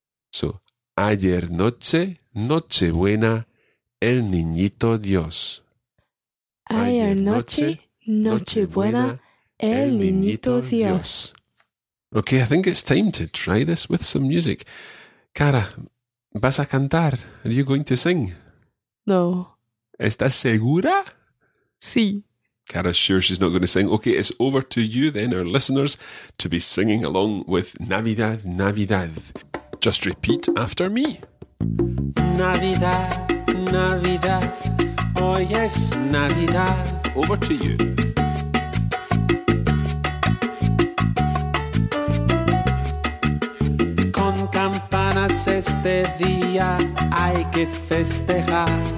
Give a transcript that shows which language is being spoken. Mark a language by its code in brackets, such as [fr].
[es] So, ayer noche, Nochebuena, el niñito Dios. Ayer noche, Nochebuena, el niñito Dios. [en] Okay, I think it's time to try this with some music. [es] Cara, ¿vas a cantar? [en] Are you going to sing? [es] No. ¿Estás segura? Sí. [en] Cara's sure she's not going to sing. Okay, it's over to you then, our listeners, to be singing along with Navidad, Navidad. Just repeat after me. [es] Navidad, Navidad, oh yes, Navidad. [en] Over to you. [es] Con campanas este día hay que festejar.